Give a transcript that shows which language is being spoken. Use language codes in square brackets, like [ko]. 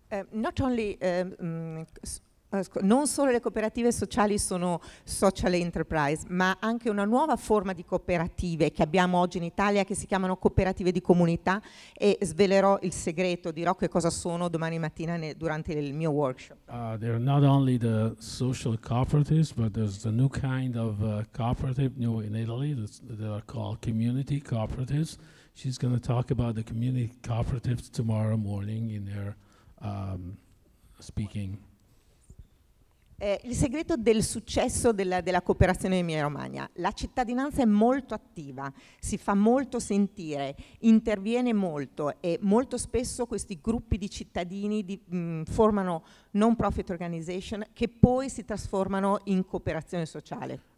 [en] Not only [it] non solo le cooperative sociali sono social enterprise, ma anche una nuova forma di cooperative che abbiamo oggi in Italia che si chiamano cooperative di comunità, e svelerò il segreto, dirò che cosa sono domani mattina durante il mio workshop. [en] There are not only the social cooperatives, but there's a new kind of cooperative new in Italy that are called community cooperatives. She's going to talk about the community cooperatives tomorrow morning in her speaking. [it] Il segreto del successo della cooperazione in Emilia Romagna. La cittadinanza è molto attiva, si fa molto sentire, interviene molto, e molto spesso questi gruppi di cittadini formano non profit organization che poi si trasformano in cooperazione sociale.